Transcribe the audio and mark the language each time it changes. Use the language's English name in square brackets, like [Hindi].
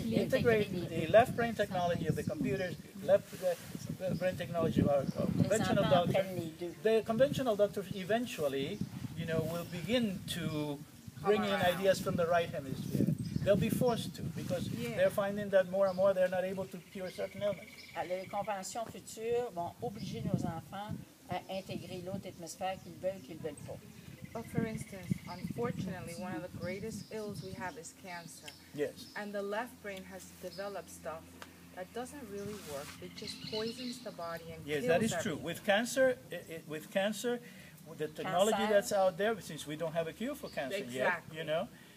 [English] Integrate the left brain technology of the computers, the brain technology of our conventional doctors. The conventional doctors eventually, you know, will begin to bring in ideas from the right hemisphere. They'll be forced to because they're finding that more and more they're not able to cure certain ailments. [French] Les conventions futures vont obliger nos enfants à intégrer l'autre atmosphère qu'ils veulent, qu'ils ne veulent pas. [English] But for instance, unfortunately, one of the greatest ills we have is cancer. Yes. And the left brain has developed stuff that doesn't really work. It just poisons the body and kills that is true. With cancer, the technology that's out there, since we don't have a cure for cancer yet, you know,